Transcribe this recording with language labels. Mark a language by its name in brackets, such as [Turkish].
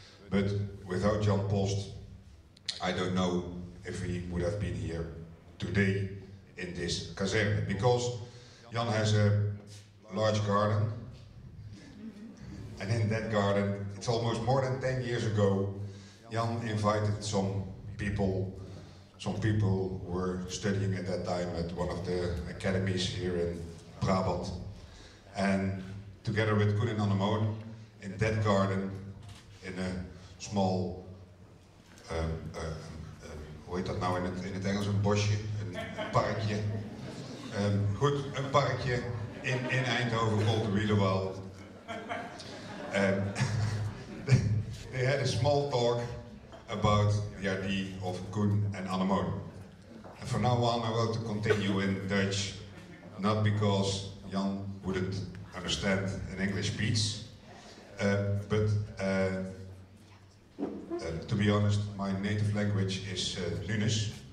[English] But without Jan Post, I don't know if he would have been here today in this Kazerne, because Jan has a large garden. And in that garden, it's almost more than 10 years ago, Jan invited some people who were studying at that time at one of the academies here in Brabant. And together with Koen and Annemoon, in that garden, in a small, [Dutch] hoe heet dat nou in het Engels, een bosje, een parkje. Goed, een parkje in Eindhoven, [English] called the Leeuwerik. They had a small talk about the idea of Koen and Annemoon. And from now on, I want to continue in Dutch, not because Jan wouldn't understand an English speech, to be honest, my native language is Lunes.